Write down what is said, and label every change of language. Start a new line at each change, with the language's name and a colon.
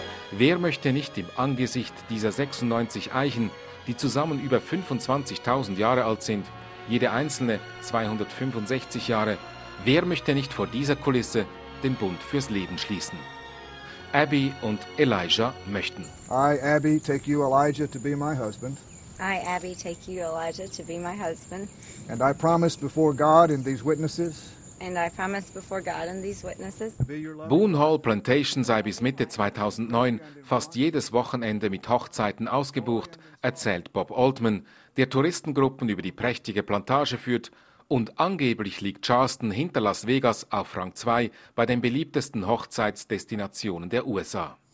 German: Wer möchte nicht im Angesicht dieser 96 Eichen, die zusammen über 25.000 Jahre alt sind, jede einzelne 265 Jahre, wer möchte nicht vor dieser Kulisse den Bund fürs Leben schließen? Abby und Elijah möchten.
English: I, Abby, take you, Elijah, to be my husband. I, Abby, take you, Elijah, to be my husband. And I promise before God and these witnesses.
German: Boone Hall Plantation sei bis Mitte 2009 fast jedes Wochenende mit Hochzeiten ausgebucht, erzählt Bob Altman, der Touristengruppen über die prächtige Plantage führt. Und angeblich liegt Charleston hinter Las Vegas auf Rang 2 bei den beliebtesten Hochzeitsdestinationen der USA.